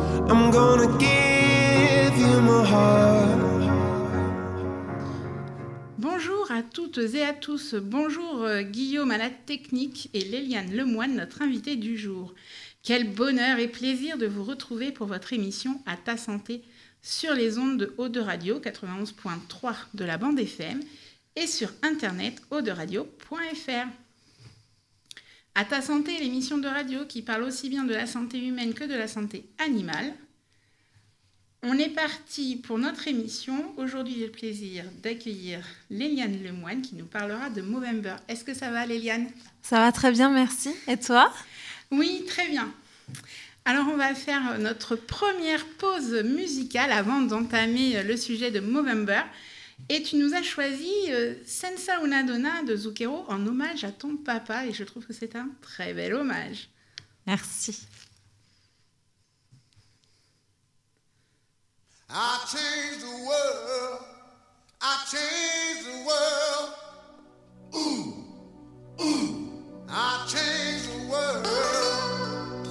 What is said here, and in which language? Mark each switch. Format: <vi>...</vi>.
<en>I'm gonna give you my heart.</en> <fr>Bonjour à toutes et à tous. Bonjour Guillaume à la technique et Léliane Lemoine, notre invitée du jour. Quel bonheur et plaisir de vous retrouver pour votre émission « À ta santé » sur les ondes de Aude Radio 91.3 de la bande FM et sur internet auderadio.fr. À ta santé, l'émission de radio qui parle aussi bien de la santé humaine que de la santé animale. On est parti pour notre émission. Aujourd'hui, j'ai le plaisir d'accueillir Léliane Lemoine qui nous parlera de Movember. Est-ce que ça va, Léliane ? Ça va très bien, merci. Et toi ? Oui, très bien. Alors, on va faire notre première pause musicale avant d'entamer le sujet de Movember. Et tu nous as choisi Senza una donna de Zucchero en hommage à ton papa. Et je trouve que c'est un très bel hommage. Merci.</fr> <en>I changed the world. I changed the world. Ooh, ooh. I changed the world.</en>